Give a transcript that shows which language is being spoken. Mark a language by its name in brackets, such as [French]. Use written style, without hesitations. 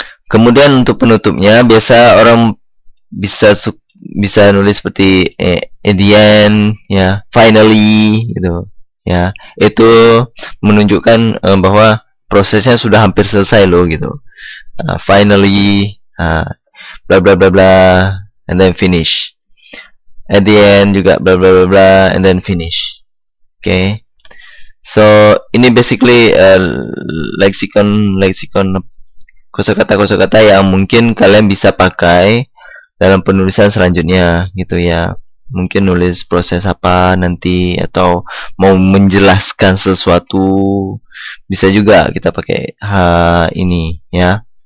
[Indonesian] Kemudian untuk penutupnya, biasa orang bisa bisa nulis seperti [English] at the end, [Indonesian] ya yeah, finally gitu. Ya, itu menunjukkan bahwa prosesnya sudah hampir selesai loh gitu. [English] Finally, bla bla bla bla, and then finish. At the end juga bla bla bla bla, and then finish. Okay. [Indonesian] So ini basically leksikon kosakata-kosakata yang mungkin kalian bisa pakai dalam penulisan selanjutnya gitu ya. Mungkin nulis proses apa nanti atau mau menjelaskan sesuatu bisa juga kita pakai ini ya.